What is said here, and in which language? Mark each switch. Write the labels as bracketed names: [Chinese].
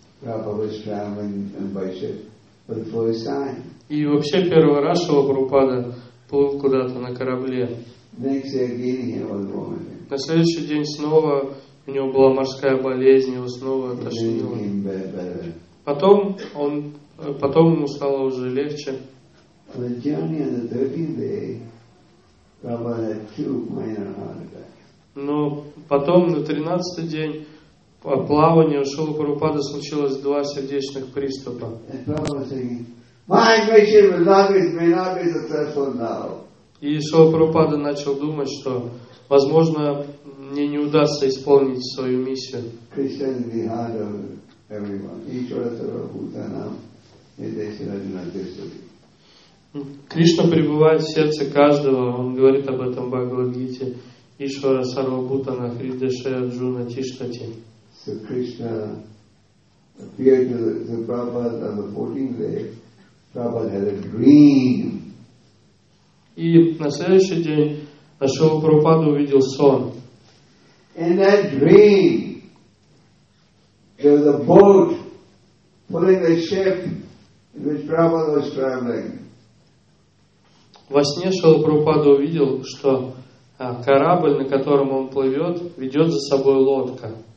[English] Prabhupada was traveling by ship for the first time. [Russian] И вообще первый раз Шрила Прабхупада плыл куда-то на корабле. [English] Next day again he was vomiting. [Russian] На следующий день снова у него была морская болезнь, его снова тошнило. Потом ему стало уже легче. [English] On the journey on the 13th day, Prabhupada had two minor heart attacks. [Russian] Но потом на 13-й день плавания у Шрилы Прабхупады случилось два сердечных приступа. [English] And Prabhupada was thinking, my mission may not be successful now. [Russian] И Шрила Прабхупада начал думать, что, возможно, мне не удастся исполнить свою миссию. [English] Krishna is the heart of everyone. Each Rasa Bhutanam is a Shiradhanakrishna. [Russian] Кришна пребывает в сердце каждого. Он говорит об этом Бхагавад-гите. [Sanskrit] Ишвара Сарвабутана Хридеше Арджуна Тиштати. [English] So Krishna appeared to the Prabhupada on the 14th day. Prabhupada had a dream. [Russian] И на следующий день Шрила Прабхупада увидел сон. [English] In that dream there was a boat pulling the ship in which Prabhupada was traveling. [Russian] Во сне Шрила Прабхупада увидел, что корабль, на котором он плывет, ведет за собой лодка.